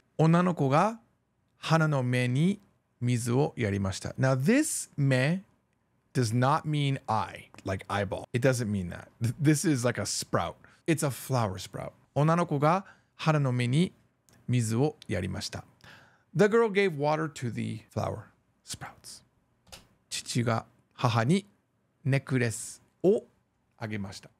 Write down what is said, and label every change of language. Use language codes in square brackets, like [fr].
[ja] 女の子 ga, 花の目に水をやりました。 [en] Now, this 目 does not mean eye, like eyeball. It doesn't mean that. This is like a sprout. It's a flower sprout. [ja] 女の子が花の目に水をやりました。 [en] The girl gave water to the flower sprouts. [ja] 父が母にネックレスをあげました。